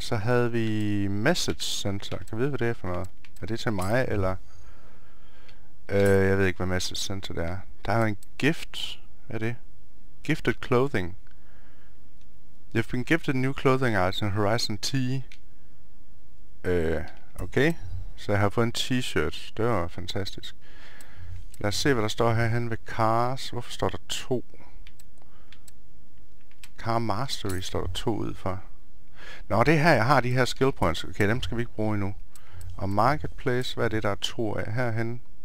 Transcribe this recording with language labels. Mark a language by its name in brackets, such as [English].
[Danish] Så havde vi message center. Kan vi vide, hvad det er for noget? Er det til mig, eller... jeg ved ikke, hvad message center det er. Der er en gift. Hvad er det? [English] Gifted clothing. You've been gifted new clothing item, Horizon T. Okay. [Danish] Så jeg har fået en t-shirt. Det var fantastisk. Lad os se, hvad der står herhen ved cars. Hvorfor står der to? Car mastery står der to ud for. Nå, det er her, jeg har de her skill points. Okay, dem skal vi ikke bruge endnu. Og marketplace, hvad er det, der er to af herhen?